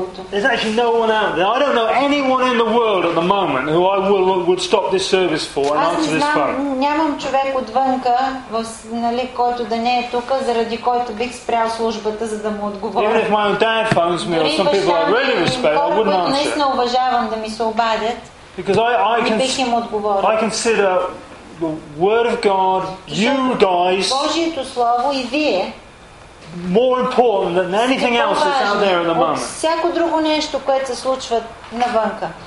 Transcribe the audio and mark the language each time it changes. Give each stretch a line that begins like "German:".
English: There's actually no one out there. I don't know anyone in the world at the moment who I would stop this service for and answer this phone.
Bulgarian: Нямам човек отвънка, нали, който да не е тука, заради който бих спрял службата, за да му отговоря.
English: Even if my own dad phones me or some people I really respect, I wouldn't answer.
Bulgarian: Наистина уважавам да ми се обадят.
English: Because I consider the Word of God, you guys,
Bulgarian: Божието Слово и вие,
English: more important than anything else that's out there at the moment.
Bulgarian: Всяко друго нещо, което се случва навънка.